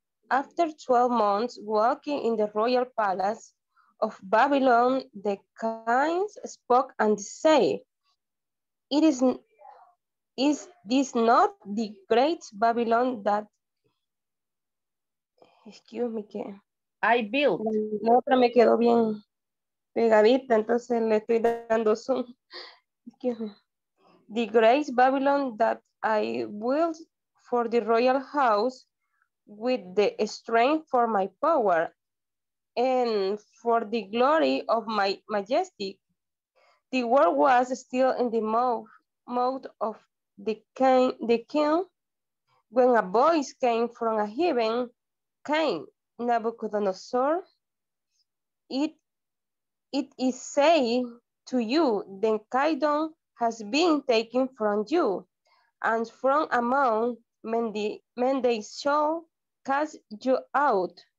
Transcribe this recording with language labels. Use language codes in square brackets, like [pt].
[en] After 12 months working in the royal palace of Babylon, the king spoke and said, is this not the great Babylon that, excuse me, que I built? [es] La otra me quedó bien pegadita, entonces le estoy dando zoom. [en] Excuse me. The great Babylon that I built for the royal house with the strength for my power and for the glory of my majesty. The world was still in the mouth of the king when a voice came from a heaven, King Nabucodonosor, it is saying to you, the kingdom has been taken from you, and from among men they shall cast you out,